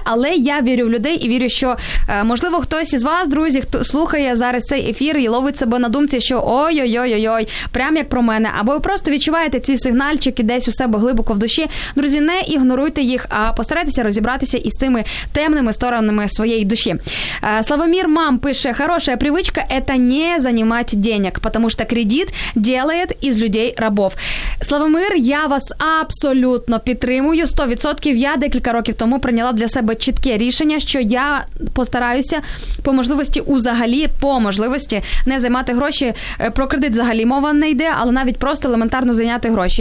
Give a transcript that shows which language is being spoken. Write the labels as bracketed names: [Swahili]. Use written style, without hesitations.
[Ukrainian] Але я вірю в людей і вірю, що, можливо, хтось із вас, друзі, хто слухає зараз цей ефір і ловить себе на думці, що ой-ой-ой-ой, прям як про мене. Або ви просто відчуваєте ці сигнальчики десь у себе глибоко в душі. Друзі, не ігноруйте їх, а постарайтеся розібратися із цими темними сторонами своєї душі. [Russian] Славомір Мам [Ukrainian] пише, [Russian] хороша привичка – это не занимать денег, потому что кредит делает из людей рабов. [Ukrainian] Славомир, я вас абсолютно підтримую, 100%. Я декілька років тому прийняла для себе чітке рішення, що я постараюся по можливості взагалі, по можливості, не займати гроші. Про кредит взагалі мова не йде, але навіть просто елементарно зайняти гроші.